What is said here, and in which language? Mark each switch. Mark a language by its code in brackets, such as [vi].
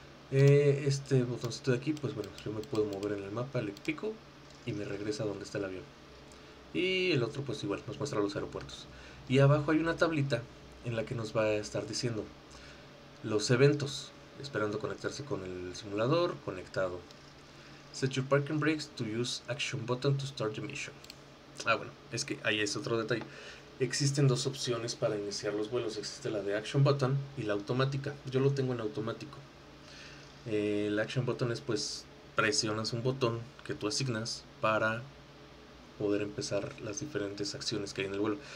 [es] Este botoncito de aquí, pues bueno, yo me puedo mover en el mapa, le pico y me regresa a donde está el avión. Y el otro, pues igual, nos muestra los aeropuertos. Y abajo hay una tablita en la que nos va a estar diciendo los eventos, esperando conectarse con el simulador, conectado. [en] Set your parking brakes to use action button to start the mission. [es] Ah, bueno, es que ahí es otro detalle. Existen dos opciones para iniciar los vuelos. Existe la de action button y la automática. Yo lo tengo en automático. El action button es pues presionas un botón que tú asignas para poder empezar las diferentes acciones que hay en el vuelo.